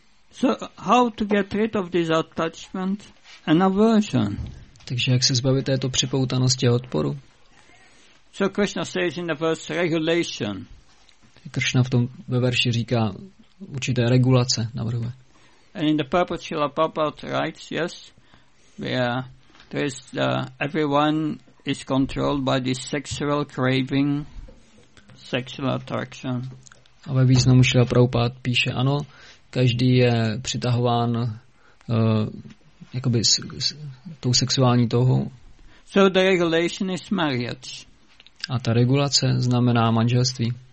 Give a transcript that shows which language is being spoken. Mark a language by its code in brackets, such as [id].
[en] So how to get rid of this attachment and aversion? [cs] Takže jak se zbavit této připoutanosti a odporu? [en] So Krishna says in the verse regulation. [cs] Krishna v tom ve verši říká určité regulace navrhuje. [en] And in the purport Srila Prabhupada writes, yes, everyone is controlled by this sexual craving, sexual attraction. [cs] A ve významu Srila Prabhupada píše, ano, každý je přitahován jakoby s tou sexuální touhou. [en] So the regulation is marriage. [cs] A ta regulace znamená manželství.